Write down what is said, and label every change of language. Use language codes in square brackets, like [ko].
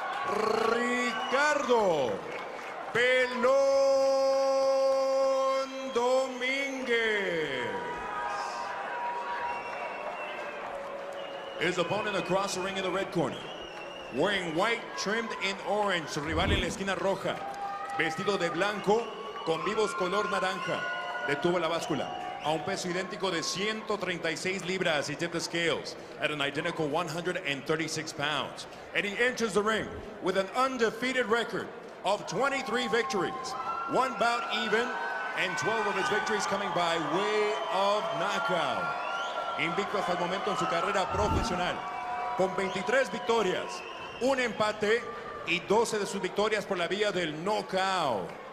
[en] Ricardo Pelón Dominguez. His opponent across the ring in the red corner, wearing white, trimmed in orange. [es] Su rival en la esquina roja, vestido de blanco, con vivos color naranja, detuvo la báscula a un peso idéntico de 136 libras. [en] He tipped the scales at an identical 136 pounds. And he enters the ring with an undefeated record of 23 victories, one bout even, and 12 of his victories coming by way of knockout. [es] Invicto hasta el momento en su carrera profesional, con 23 victorias, un empate, y 12 de sus victorias por la vía del knockout.